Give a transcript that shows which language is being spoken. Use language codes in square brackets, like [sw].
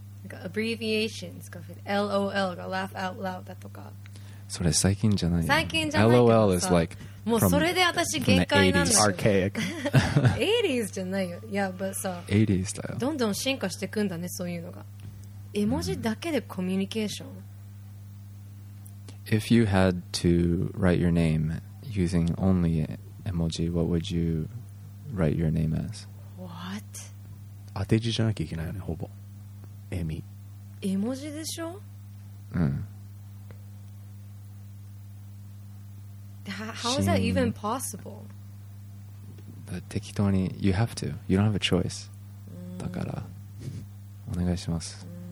[ja] なんかアブリビエーションとか LOL が [en] Laugh Out Loud [ja] だとか。それ最近じゃない？最近じゃないけどさ。 [en] LOL is like [ja] もうそれで私限界なんだよ。 80s じゃないよ。いや、but さ、 80s だよ。どんどん進化してくんだね、そういうのが。絵文字だけでコミュニケーション。 [en] If you had to write your name using only emoji, what would you write your name as? What? [ja] 当て字じゃなきゃいけないよね、ほぼ。エミ。絵文字でしょ？うん。 [en] How is that even possible? But [ja] 適当に [en] You have to You don't have a choice [ja] だからお願いします